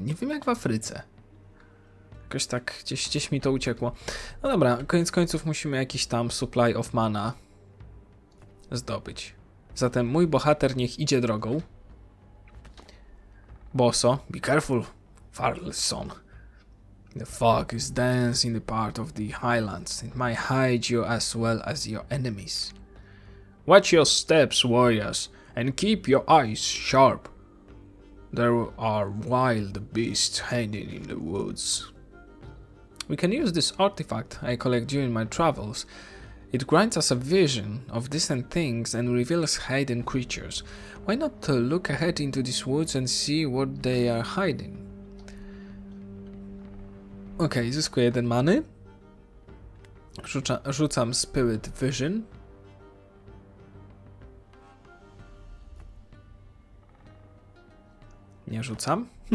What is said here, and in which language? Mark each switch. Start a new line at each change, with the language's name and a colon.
Polish: Nie wiem, jak w Afryce. Jakoś tak gdzieś mi to uciekło. No dobra, koniec końców musimy jakiś tam supply of mana zdobyć. Zatem mój bohater niech idzie drogą.
English: Boso, be careful, Farlson. The fog is dense in the part of the highlands. It might hide you as well as your enemies. Watch your steps, warriors, and keep your eyes sharp. There are wild beasts hiding in the woods. We can use this artifact I collect during my travels. It grants us a vision of distant things and reveals hidden creatures. Why not look ahead into these woods and see what they are hiding?
Polish: Okej, okay, zyskuję jeden many. Rzucam Spirit Vision. Nie rzucam.